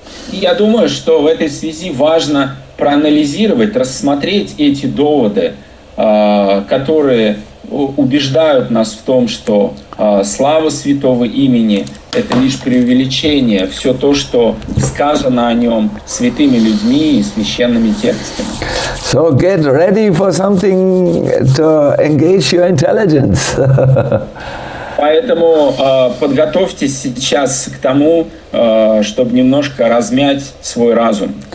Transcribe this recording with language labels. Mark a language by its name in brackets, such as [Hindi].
[Russian] Я думаю, что в этой связи важно проанализировать, рассмотреть эти доводы, которые убеждают нас в том, что слава святого имени – это лишь преувеличение. Все то, что сказано о нем святыми людьми и священными текстами. [English] So get ready for something to engage your intelligence. [Russian] Поэтому подготовьтесь сейчас к тому, чтобы немножко размять свой разум.